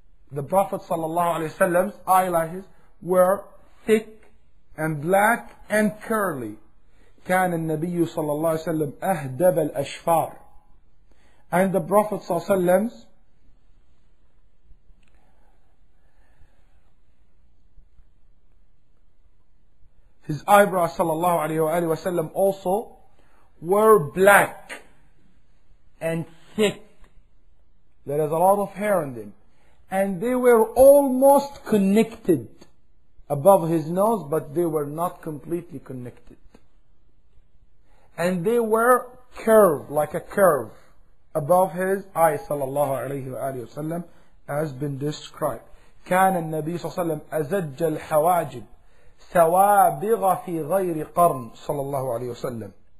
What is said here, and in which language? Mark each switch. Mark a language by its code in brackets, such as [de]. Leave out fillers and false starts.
[en] The Prophet ﷺ's eyelashes were thick and black and curly. [ar] كان النبي صلى الله عليه وسلم أهدب الأشفار. [en] And the Prophet ﷺ's his eyebrows sallallahu alayhi wa sallam also were black and thick. There is a lot of hair on them. And they were almost connected above his nose, but they were not completely connected. And they were curved, like a curve, above his eye, sallallahu alayhi wa alayhi wa sallam, has been described. [ar] كان النبي صلى الله عليه وسلم أزج الحواجب سوابغ في غير قرن, sallallahu alayhi wa sallam.